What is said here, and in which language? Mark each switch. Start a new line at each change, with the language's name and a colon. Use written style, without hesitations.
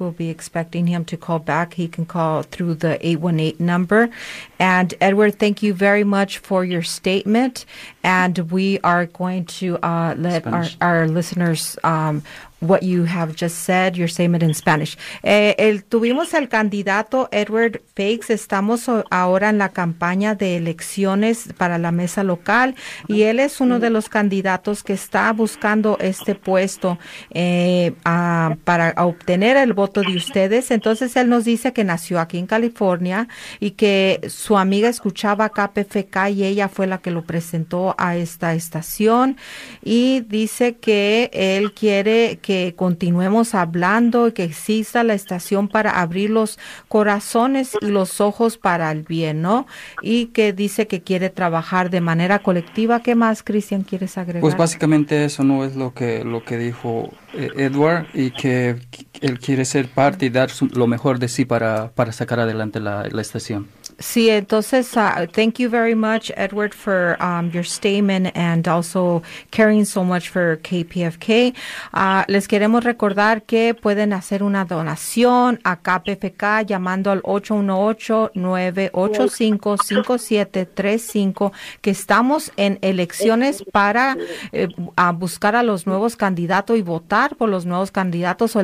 English: We'll be expecting him to call back. He can call through the 818 number. And Edward, thank you very much for your statement. And we are going to let our listeners what you have just said, your statement in Spanish.
Spanish: Tuvimos al candidato Edward Fakes. Estamos ahora en la campaña de elecciones para la mesa local, y él es uno de los candidatos que está buscando este puesto para obtener el voto de ustedes. Entonces, él nos dice que nació aquí en California y que su amiga escuchaba KPFK y ella fue la que lo presentó a esta estación, y dice que él quiere que continuemos hablando y que exista la estación para abrir los corazones y los ojos para el bien, ¿no? Y que dice que quiere trabajar de manera colectiva. ¿Qué más, Cristian, quieres agregar? Pues básicamente eso, ¿no? Es lo que dijo Edward, y que él quiere ser parte y dar lo mejor de sí para sacar adelante la estación. Sí, entonces,
English: thank you very much, Edward, for your statement and also caring so much for KPFK.
Spanish: Les queremos recordar que pueden hacer una donación a KPFK llamando al 818-985-5735, que estamos en elecciones para a buscar a los nuevos candidatos y votar por los nuevos candidatos.